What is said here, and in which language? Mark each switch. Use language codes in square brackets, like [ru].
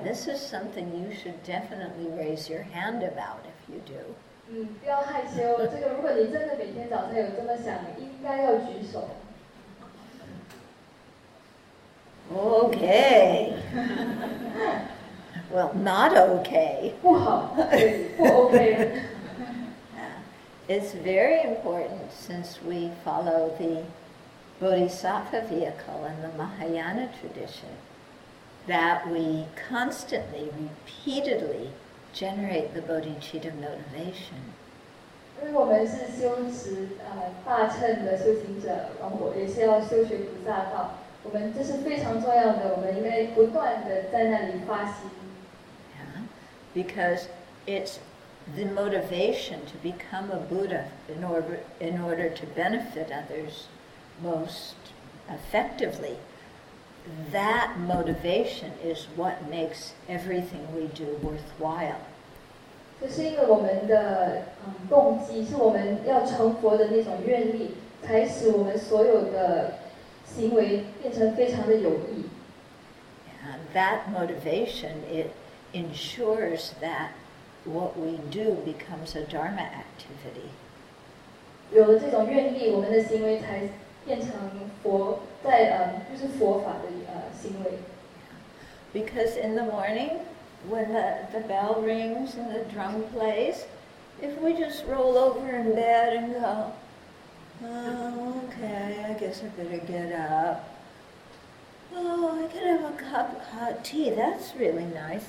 [en] This is something you should definitely raise your hand about if you do. [zh] 不要害羞。这个如果你真的每天早上有这么想，应该要举手。 [en] Okay. Well, not okay. [zh] 不好，不 okay. [en] It's very important since we follow the Bodhisattva vehicle in the Mahayana tradition that we constantly, repeatedly generate the bodhicitta motivation. [zh] 因为我们是修持大乘的修行者，然后也是要修学菩萨道。我们这是非常重要的，我们应该不断的在那里发心。 [en] Yeah, because it's the motivation to become a Buddha in order to benefit others most effectively. That motivation is what makes everything we do worthwhile. [zh] 就是因为我们的动机是我们要成佛的那种愿力，才使我们所有的行为变成非常的有益。 [en] And that motivation, it ensures that what we do becomes a dharma activity. [zh] 有了这种愿力，我们的行为才变成佛在就是佛法的行为。 [en] Because in the morning, when the bell rings and the drum plays, if we just roll over in bed and go, oh, okay, I guess I better get up. Oh, I can have a cup of hot tea. That's really nice.